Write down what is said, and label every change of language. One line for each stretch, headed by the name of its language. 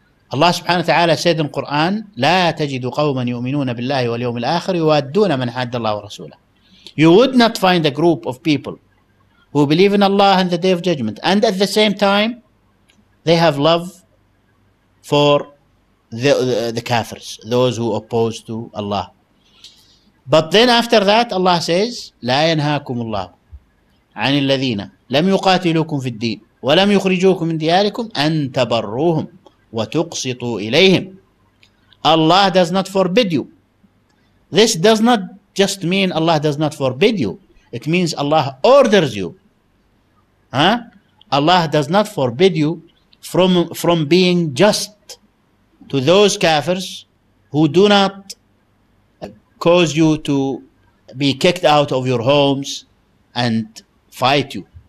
English: Allah subhanahu wa ta'ala said in Quran,
Arabic: لا تجد قوما يؤمنون بالله واليوم الآخر يوادون من حد الله ورسوله.
English: You would not find a group of people who believe in Allah and the Day of Judgment, and at the same time, they have love for the kafirs, those who oppose to Allah. But then after that, Allah says,
Arabic: لا ينهاكم الله عن الذين لم يقاتلوكم في الدين ولم يخرجوكم من دياركم أن تبروهم وتقسطوا إليهم.
English: Allah does not forbid you. This does not just mean Allah does not forbid you. It means Allah orders you. Allah does not forbid you from being just to those kafirs who do not cause you to be kicked out of your homes and fight you.